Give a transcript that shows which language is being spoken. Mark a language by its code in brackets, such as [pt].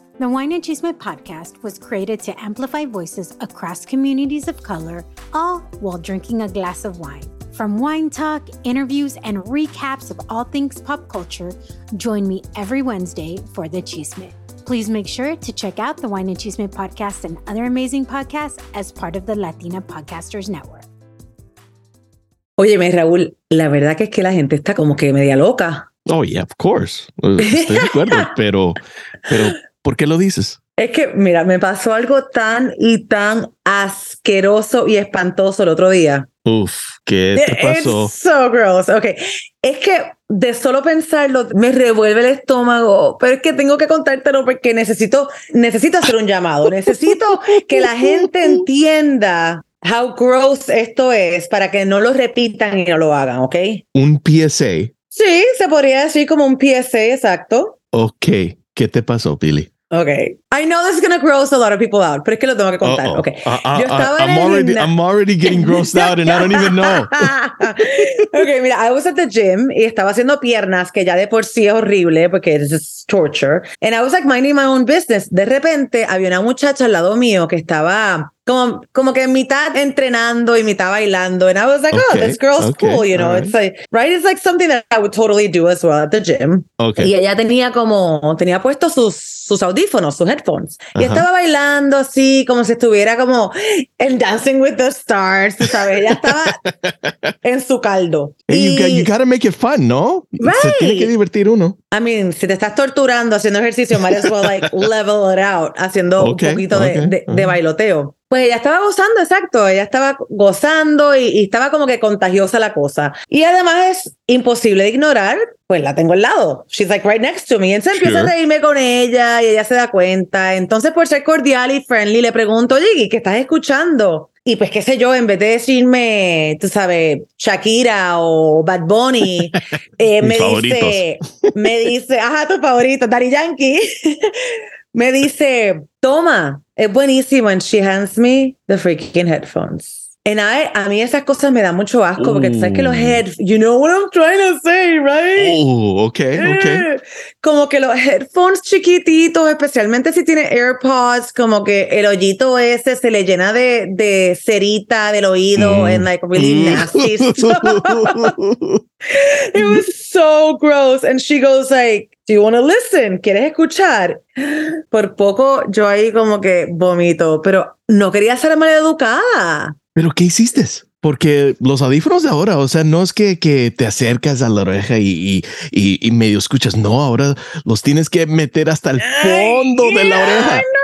[en] The Wine and Chisme podcast was created to amplify voices across communities of color, all while drinking a glass of wine. From wine talk, interviews, and recaps of all things pop culture, join me every Wednesday for the chisme. Please make sure to check out the Wine and Chisme podcast and other amazing podcasts as part of the Latina Podcasters Network. [es] Óyeme, Raúl, la verdad que es que la gente está como que media loca. [en] Oh, yeah, of course. [es] Estoy de acuerdo, pero ¿por qué lo dices? Es que, mira, me pasó algo tan y tan asqueroso y espantoso el otro día. Uf, ¿qué te pasó? [en] It's so gross. Okay. [es] Es que de solo pensarlo me revuelve el estómago, pero es que tengo que contártelo porque necesito hacer un llamado. Necesito que la gente entienda [en] how gross [es] esto es para que no lo repitan y no lo hagan, ¿ok? ¿Un PSA? Sí, se podría decir como un PSA, exacto. Ok, ¿qué te pasó, Billy? [en] Ok, I know this is going to gross a lot of people out, [es] pero es que lo tengo que contar, [en] ok. I'm already getting grossed out and I don't even know. [es] Ok, mira, [en] I was at the gym [es] y estaba haciendo piernas, que ya de por sí es horrible porque [en] it's just torture. And I was like minding my own business. [es] De repente había una muchacha al lado mío que estaba como que mitad entrenando y mitad bailando. [en] And I was like, okay, oh, this girl's okay, cool, you know. Right. It's like, right? It's like something that I would totally do as well at the gym. Okay. [es] Y ella tenía puesto sus audífonos, sus headphones. Uh-huh. Y estaba bailando así, como si estuviera como en Dancing with the Stars, ¿sabes? Ella estaba en su caldo. [en] Hey, you gotta make it fun, ¿no? Right. [es] Se tiene que divertir uno. I mean, si te estás torturando haciendo ejercicio, [en] might as well like level it out, [es] haciendo un poquito de bailoteo. Pues ella estaba gozando, exacto. Ella estaba gozando y estaba como que contagiosa la cosa. Y además es imposible de ignorar, pues la tengo al lado. [en] She's like right next to me. [es] Entonces empiezo a reírme con ella y ella se da cuenta. Entonces, por ser cordial y friendly, le pregunto, oye, ¿qué estás escuchando? Y pues qué sé yo, en vez de decirme, tú sabes, Shakira o Bad Bunny, me dice, ajá, tu favorito, Daddy Yankee. Me dice, toma, es buenísimo. [en] And she hands me the freaking headphones. [es] And a mí esas cosas me dan mucho asco. Ooh. Porque tú sabes que los headphones, [en] you know what I'm trying to say, right? Ooh, okay. [es] Como que los headphones chiquititos, especialmente si tiene AirPods, como que el hoyito ese se le llena de cerita del oído. [en] Mm. And like really nasty stuff. It was so gross. And she goes like, do you want to listen? [es] ¿Quieres escuchar? Por poco yo ahí como que vomito, pero no quería ser maleducada. ¿Pero qué hiciste? Porque los audífonos de ahora, o sea, no es que te acercas a la oreja y medio escuchas. No, ahora los tienes que meter hasta el fondo de la oreja.